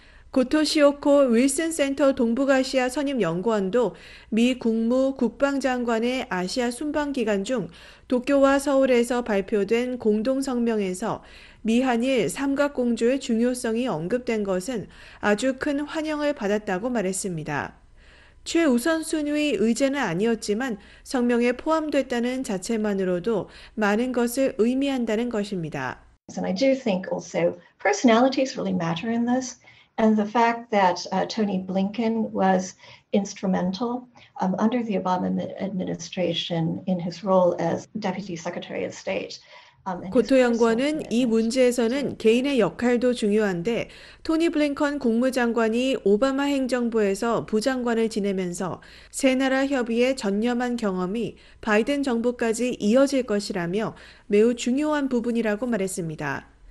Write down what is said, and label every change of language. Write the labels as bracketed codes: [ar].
[ko] 고토 시오코 윌슨 센터 동북아시아 선임 연구원도 미 국무 국방장관의 아시아 순방 기간 중 도쿄와 서울에서 발표된 공동성명에서 미한일 삼각공조의 중요성이 언급된 것은 아주 큰 환영을 받았다고 말했습니다. 최우선순위 의제는 아니었지만 성명에 포함됐다는 자체만으로도 많은 것을 의미한다는 것입니다. [en] And I do think also personalities really matter in this. And the fact that Tony Blinken was instrumental under the Obama administration in his role as Deputy Secretary of State. [ko] 고토 연구원은 이 문제에서는 개인의 역할도 중요한데 토니 블링컨 국무장관이 오바마 행정부에서 부장관을 지내면서 세 나라 협의에 전념한 경험이 바이든 정부까지 이어질 것이라며 매우 중요한 부분이라고 말했습니다.